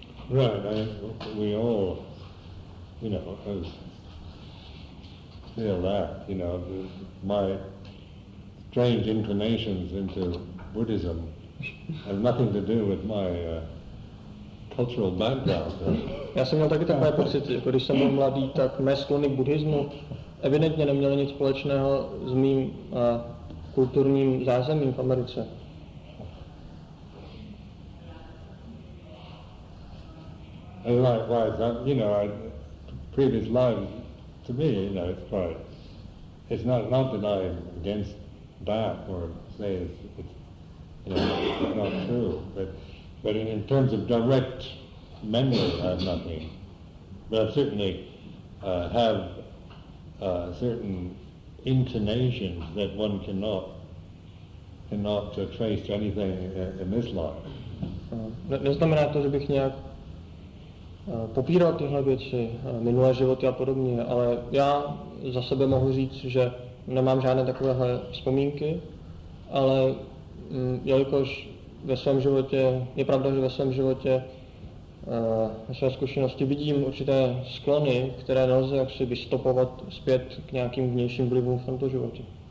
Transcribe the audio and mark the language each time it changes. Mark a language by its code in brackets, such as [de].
[en] Right, we all, you know, feel that, you know, my strange inclinations into Buddhism have nothing to do with my cultural background. [cs] Já jsem měl taky takové pocity, jako když jsem byl mladý, tak mé sklony k buddhismu evidentně neměli nic společného s mým kulturním zázemím v Americe. [en] And likewise, you know, previous lives, to me, you know, it's quite, it's not that I'm against that or say it's you know, not true, but in terms of direct memory, I have nothing. But I certainly have certain intonations that one cannot and not to trace to anything in this life. [cs] Neznamená to, že bych nějak popíral tyhle věci, minulé životy a podobně, ale já za sebe mohu říct, že nemám žádné takovéhle vzpomínky, ale jelikož ve svém životě, je pravda, že ve svém životě ve své zkušenosti vidím určité sklony, které nelze jaksi vystopovat zpět k nějakým vnějším vlivům v tomto životě.